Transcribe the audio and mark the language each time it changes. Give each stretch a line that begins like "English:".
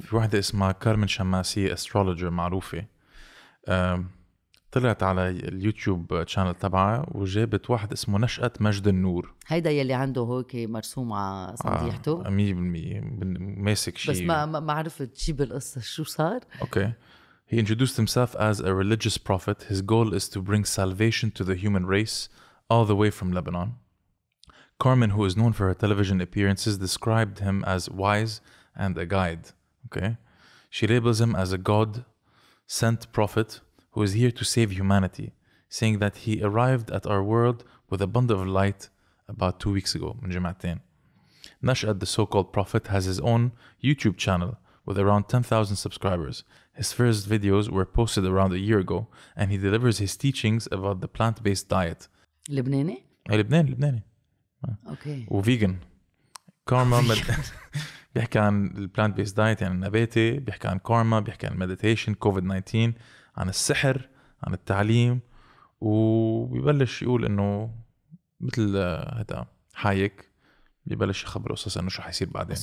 Arabic: في واحدة اسمها كارمن شماسي astrologer معروفة طلعت على اليوتيوب channel تبعها وجابت واحد اسمه نشأت مجد النور. هيدا يلي عنده هوكي مرسوم على صديحته. 100% ماسك شيء. بس ما عرفت شيء بالقصة شو صار.
English: Okay. Okay. He introduced himself as a religious prophet. His goal is to bring salvation to the human race all the way from Lebanon. Carmen, who is known for her television appearances, described him as wise and a guide. Okay, she labels him as a God-sent prophet who is here to save humanity, saying that he arrived at our world with a bundle of light about 2 weeks ago. Nash'at, the so-called prophet, has his own YouTube channel with around 10,000 subscribers. His first videos were posted around a year ago, and he delivers his teachings about the plant-based diet. Lebanese? Lebanese.
Arabic: اوكي وفيجن كارما بيحكي عن البلانت بيس دايت يعني النباتي, بيحكي عن كارما, بيحكي عن المديتيشن, كوفيد 19, عن السحر, عن التعليم, وبيبلش يقول انه مثل هذا حايك بيبلش يخبر قصص انه شو حيصير بعدين.